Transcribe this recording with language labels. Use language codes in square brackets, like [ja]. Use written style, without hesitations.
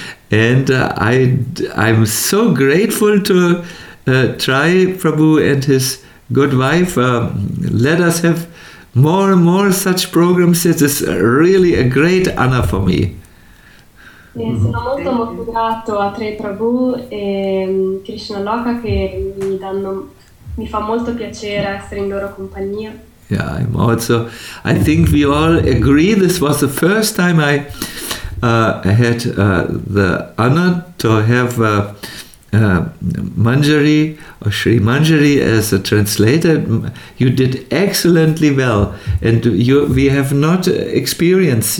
[en] And I'm so grateful to Trai Prabhu and his good wife. Let us have more and more such programs. It is really a great honor for me. [it] Sono molto grato a Trai Prabhu e Krishna Loka che mi fa molto piacere essere in loro compagnia. [en] Yeah, I'm also. I think we all agree. This was the first time I had the honor to have Manjari or Sri Manjari as a translator. You did excellently well, and we have not experienced.